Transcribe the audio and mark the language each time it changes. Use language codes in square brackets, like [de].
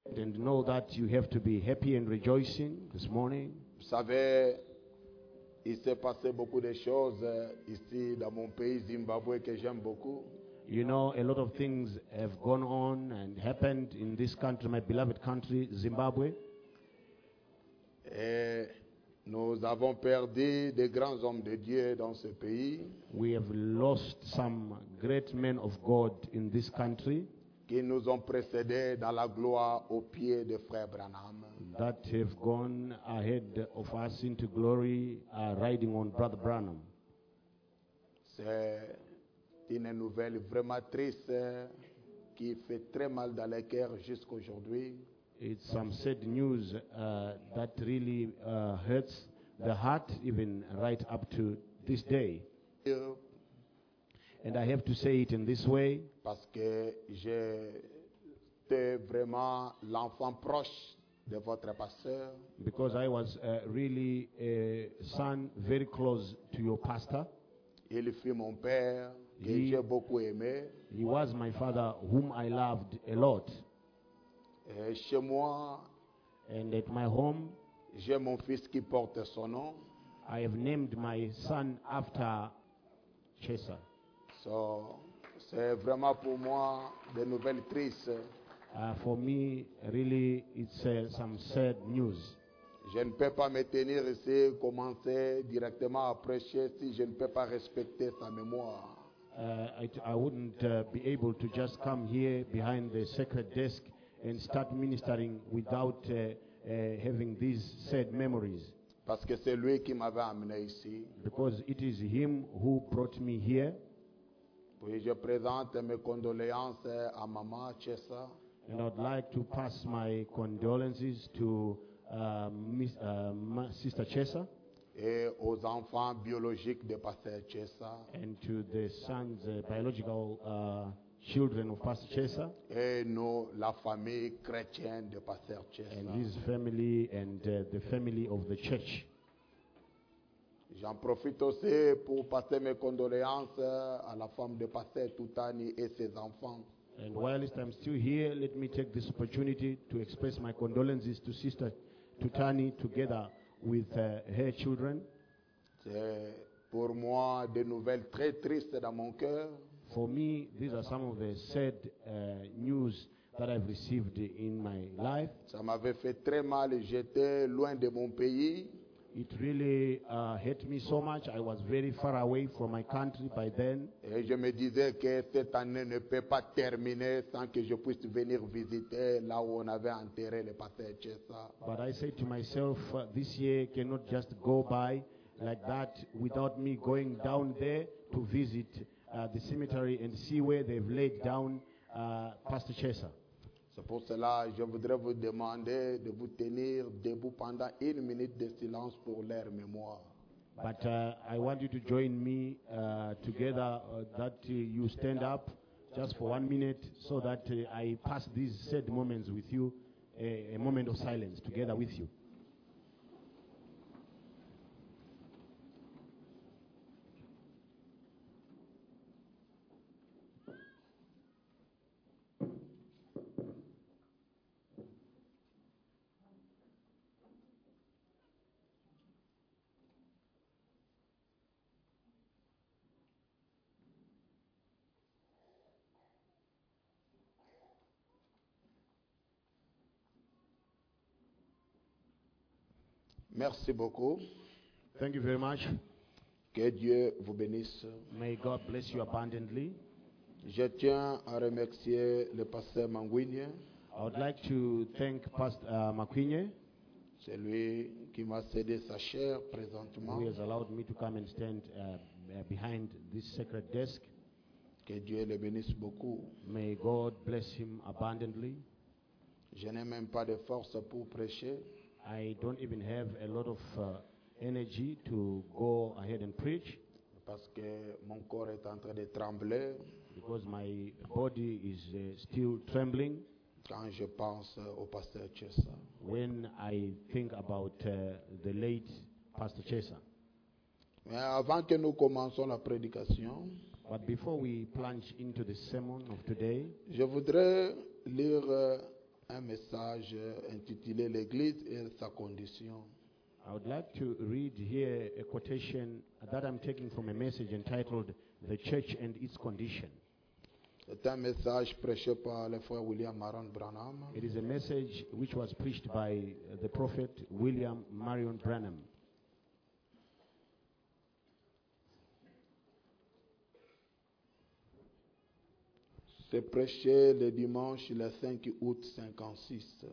[en] and know that you have to be happy and rejoicing this morning. [fr] Vous savez, il s'est passé beaucoup de choses ici dans mon pays Zimbabwe que j'aime beaucoup. [en] You know, a lot of things have gone on and happened in this country, my beloved country, Zimbabwe. [fr] Et nous avons perdu des grands hommes de Dieu dans ce pays. [en] We have lost some great men of God in this country. [fr] Qui nous ont précédés dans la gloire aux pieds de Frère Branham. [en] That have gone ahead of us into glory, riding on Brother Branham. [fr] C'est une nouvelle vraiment triste qui fait très mal dans les cœurs jusqu'à aujourd'hui. [en] It's some sad news that really hurts the heart even right up to this day. And I have to say it in this way. [fr] Parce que j'étais vraiment l'enfant proche de votre pasteur. [en] Because I was really a son very close to your pastor. [fr] Il fut mon père. J'ai beaucoup aimé. [en] He was my father, whom I loved a lot. [fr] Chez moi, [en] and at my home, [fr] j'ai mon fils qui porte son nom. [en] I have named my son after Chesa. [fr] So, c'est vraiment pour moi des nouvelles tristes. [en] For me, really, it's some sad news. [fr] Je ne peux pas me tenir ici, commencer directement à prêcher si je ne peux pas respecter sa mémoire. [en] I wouldn't be able to just come here behind the sacred desk and start ministering without having these sad memories. [fr] Parce que c'est lui qui m'avait amené ici. [en] Because it is him who brought me here. [fr] Puis je présente mes condoléances à Mama Chesa. [en] And I'd like to pass my condolences to my sister Chesa. [fr] Et aux enfants biologiques de Pasteur Chesa. [en] And to the sons, biological children of Pastor Chesa. [fr] Et nous, la famille chrétienne de Pasteur Chesa. [en] And his family and the family of the church. [fr] J'en profite aussi pour passer mes condoléances à la femme de Pasteur Toutani et ses enfants. [en] And whilst I'm still here, let me take this opportunity to express my condolences to Sister Toutani together with her children. [fr] C'est pour moi des nouvelles très tristes dans mon cœur. [en] For me, these are some of the sad news that I've received in my life. [fr] Ça m'avait fait très mal. J'étais loin de mon pays. [en] It really hurt me so much. I was very far away from my country by then. [fr] Et je me disais que cette année ne peut pas terminer sans que je puisse venir visiter là où on avait enterré le pasteur Chesa. [en] But I said to myself, this year cannot just go by like that without me going down there to visit the cemetery and see where they've laid down Pastor Chesa. [fr] C'est pour cela que je voudrais vous demander de vous tenir debout pendant une minute de silence pour leur mémoire. [en] But I want you to join me together that you stand up just for 1 minute so that I pass these sad moments with you, a moment of silence together with you. [fr] Merci beaucoup. [en] Thank you very much. [fr] Que Dieu vous bénisse. [en] May God bless you abundantly. [fr] Je tiens à remercier le pasteur Manguinye. [en] I would like to thank Pastor Manguinye. [fr] C'est lui qui m'a cédé sa chair présentement. [en] Who has allowed me to come and stand behind this sacred desk. [fr] Que Dieu le bénisse beaucoup. [en] May God bless him abundantly. [fr] Je n'ai même pas de force pour prêcher. [en] I don't even have a lot of energy to go ahead and preach. [fr] Parce que mon corps est en train de trembler. [en] Because my body is still trembling. [fr] Quand je pense au pasteur Chesa. [en] When I think about the late Pastor Chesa. [fr] Mais avant que nous commençons la prédication. [en] But before we plunge into the sermon of today. [fr] Je voudrais lire un message intitulé l'église et sa condition. [en] I would like to read here a quotation that I'm taking from a message entitled The Church and Its Condition. [fr] C'est un message prêché par le frère William Marion Branham. [en] It is a message which was preached by the prophet William Marion Branham. [fr] C'est prêché le dimanche le 5 août 56.